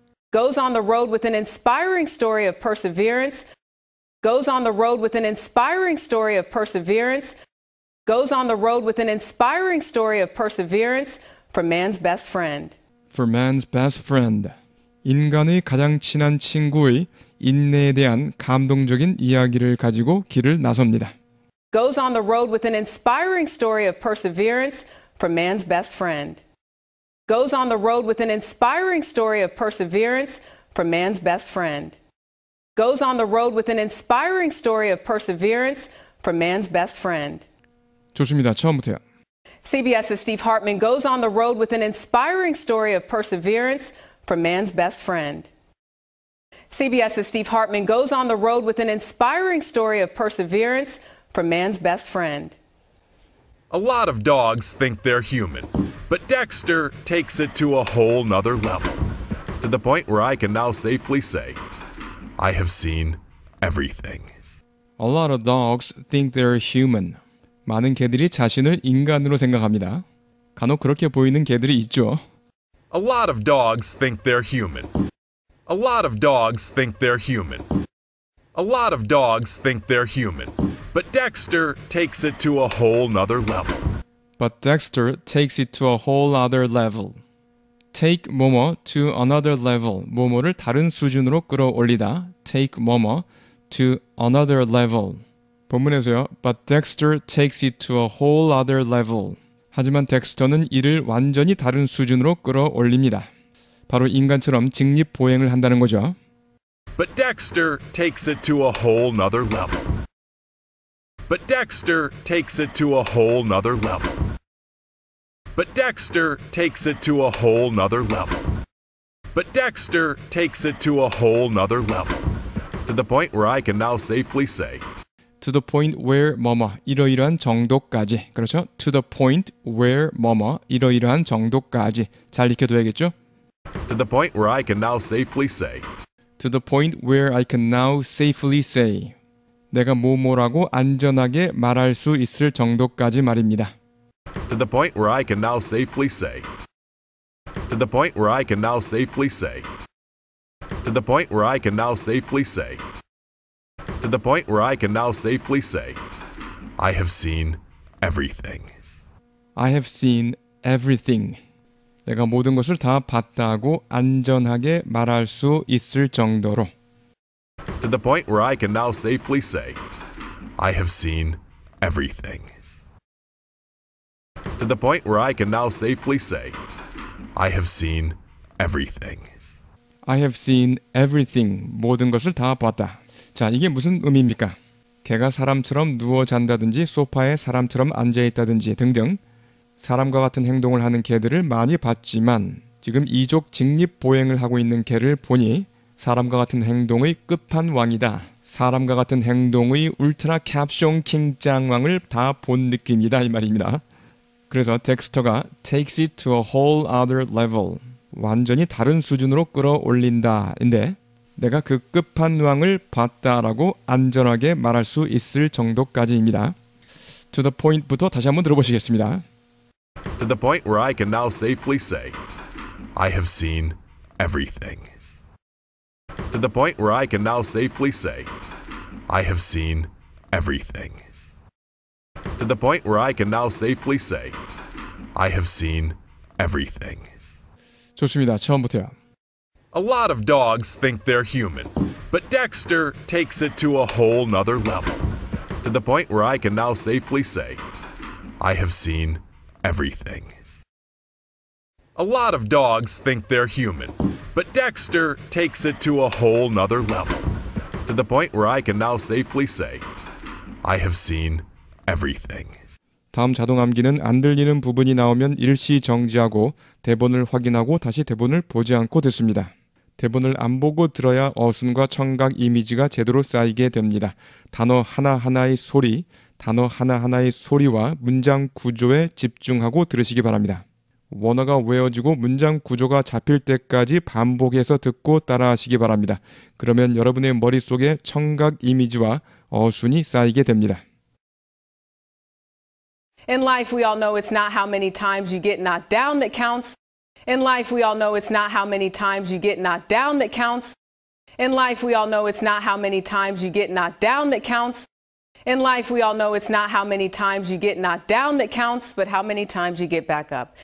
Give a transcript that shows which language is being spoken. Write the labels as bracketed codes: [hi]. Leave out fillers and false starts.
[en] Goes on the road with an inspiring story of perseverance. Goes on the road with an inspiring story of perseverance. Goes on the road with an inspiring story of perseverance for man's best friend. For man's best friend. [ko] 인간의 가장 친한 친구의 인내에 대한 감동적인 이야기를 가지고 길을 나섭니다. [en] Goes on the road with an inspiring story of perseverance from man's best friend. Goes on the road with an inspiring story of perseverance from man's best friend. goes on the road with an inspiring story of perseverance from man's best friend. [ko] 좋습니다. 처음부터요. [en] CBS's Steve Hartman goes on the road with an inspiring story of perseverance from man's best friend. CBS's Steve Hartman goes on the road with an inspiring story of perseverance from man's best friend. A lot of dogs think they're human, but Dexter takes it to a whole nother level, to the point where I can now safely say, I have seen everything. A lot of dogs think they're human. [ko] 많은 개들이 자신을 인간으로 생각합니다. 간혹 그렇게 보이는 개들이 있죠. [en] A lot of dogs think they're human. A lot of dogs think they're human. A lot of dogs think they're human. But Dexter takes it to a whole nother level. But Dexter takes it to a whole other level. Take 뭐뭐 to another level. [ko] 뭐뭐를 다른 수준으로 끌어올리다. [en] Take 뭐뭐 to another level. [ko] 본문에서요. [en] But Dexter takes it to a whole other level. [ko] 하지만 덱스터는 이를 완전히 다른 수준으로 끌어올립니다. 바로 인간처럼 직립보행을 한다는 거죠. [en] But Dexter takes it to a whole nother level. But Dexter takes it to a whole nother level. But Dexter takes it to a whole nother level. But Dexter takes it to a whole nother level. To the point where I can now safely say. To the point where [ko] 뭐뭐 이러이러한 정도까지. 그렇죠? [en] To the point where [ko] 뭐뭐 이러이러한 정도까지. 잘 익혀둬야겠죠? [en] To the point where I can now safely say. To the point where I can now safely say. [ko] 내가 뭐뭐라고 안전하게 말할 수 있을 정도까지 말입니다. [en] To the point where I can now safely say. To the point where I can now safely say. To the point where I can now safely say. To the point where I can now safely say. I have seen everything. I have seen everything. [ko] 내가 모든 것을 다 봤다고 안전하게 말할 수 있을 정도로. [en] To the point where I can now safely say, I have seen everything. To the point where I can now safely say, I have seen everything. I have seen everything. [ko] 모든 것을 다 봤다. 자, 이게 무슨 의미입니까? 개가 사람처럼 누워 잔다든지, 소파에 사람처럼 앉아 있다든지 등등 사람과 같은 행동을 하는 개들을 많이 봤지만 지금 이족 직립 보행을 하고 있는 개를 보니 사람과 같은 행동의 끝판왕이다. 사람과 같은 행동의 울트라 캡숑 킹짱왕을 다 본 느낌이다 이 말입니다. 그래서 덱스터가 [en] takes it to a whole other level. [ko] 완전히 다른 수준으로 끌어올린다인데 내가 그 끝판왕을 봤다라고 안전하게 말할 수 있을 정도까지입니다. [en] To the point [ko] 부터 다시 한번 들어보시겠습니다. [en] To the point where I can now safely say, I have seen everything. To the point where I can now safely say, I have seen everything. To the point where I can now safely say, I have seen everything. [ko] 좋습니다. 처음부터요. [en] A lot of dogs think they're human, but Dexter takes it to a whole nother level. To the point where I can now safely say, I have seen everything. A lot of dogs think they're human, but Dexter takes it to a whole nother level. To the point where I can now safely say, I have seen everything. [ko] 다음 자동 암기는 안 들리는 부분이 나오면 일시 정지하고 대본을 확인하고 다시 대본을 보지 않고 듣습니다. 대본을 안 보고 들어야 어순과 청각 이미지가 제대로 쌓이게 됩니다. 단어 하나하나의 소리, 단어 하나하나의 소리와 문장 구조에 집중하고 들으시기 바랍니다. 원어가 외워지고 문장 구조가 잡힐 때까지 반복해서 듣고 따라하시기 바랍니다. 그러면 여러분의 머릿속에 청각 이미지와 어순이 쌓이게 됩니다. [en] In life, we all know it's not how many times you get knocked down that counts. In life, we all know it's not how many times you get knocked down that counts. In life, we all know it's not how many times you get knocked down that counts. In life, we all know it's not how many times you get knocked down that counts, but how many times you get back up.